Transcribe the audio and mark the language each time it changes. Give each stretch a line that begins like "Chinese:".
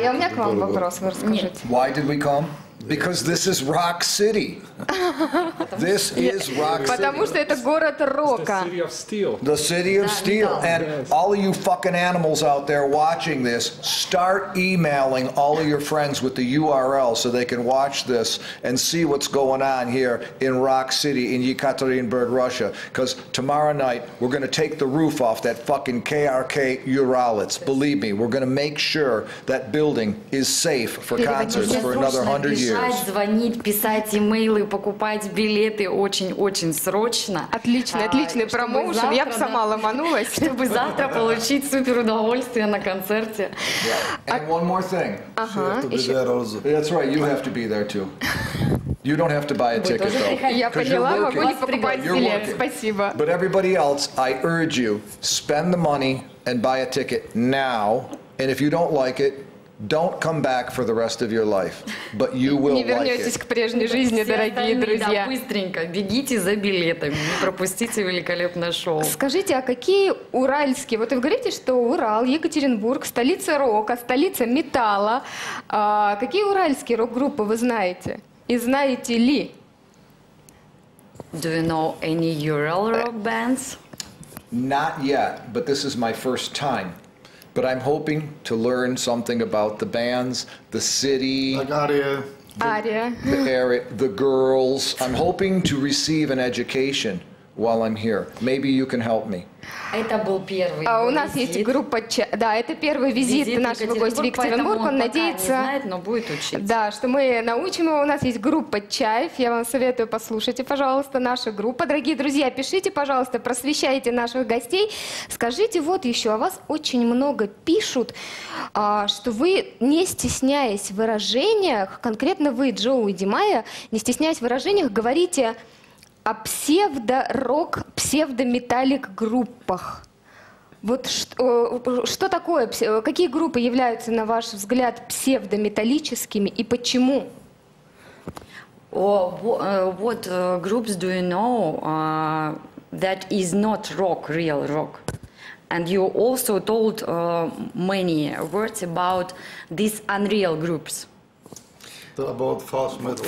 Russian: я у меня к вам вопрос, вы расскажите.
English: Why did we come? Because this is rock city. This is rock city.
Russian: Потому что это город рока.
English: The city of steel. The city of steel. And all of you fucking animals out there watching this, start emailing all of your friends with the URL so they can watch this and see what's going on here in rock city in Yekaterinburg, Russia. Because tomorrow night we're going to take the roof off that fucking KRK Uralets. Believe me, we're going to make sure that building is safe for concerts for another 100 years.
Russian: Бежать, звонить, писать имейлы, покупать билеты очень-очень срочно. Отличный, отличный промоушен. Завтра, я бы сама ломанулась. Чтобы завтра получить супер удовольствие на концерте.
English: And one more thing. That's right, you have to be there too. You don't have to buy a ticket, though.
Russian: Я поняла, могу не покупать билет. Спасибо.
English: But everybody else, I urge you, spend the money and buy a ticket now. And if you don't like it, don't come back for the rest of your life, but you will like it.
Russian: Не вернетесь к прежней жизни, дорогие друзья. Да, быстренько, бегите за билетами, не пропустите великолепное шоу. Скажите, а какие уральские, вот вы говорите, что Урал, Екатеринбург, столица рока, столица металла, какие уральские рок-группы вы знаете и знаете ли?
English: Do you know any Ural rock bands? Not yet, but this is my first time. But I'm hoping to learn something about the bands, the city, Aria. The girls. I'm hoping to receive an education while I'm here. Maybe you can help me.
Russian: Это был первый. У нас есть группа, да, это первый визит нашего гостя в Екатеринбург. Он надеется, пока не знает, но будет учиться. Да, что мы научим его. У нас есть группа Чайф. Я вам советую, послушайте, пожалуйста, нашу группу. Дорогие друзья, пишите, пожалуйста, просвещайте наших гостей. Скажите, вот еще, о вас очень много пишут, что вы, не стесняясь в выражениях, конкретно вы, Джоуи Ди Майо, не стесняясь в выражениях, говорите о псевдо-рок, псевдо-металлик-группах. Вот что такое, какие группы являются, на ваш взгляд, псевдо-металлическими и почему?
English: What groups do you know that is not rock, real rock? And you also told many words about these unreal groups. About fast metal.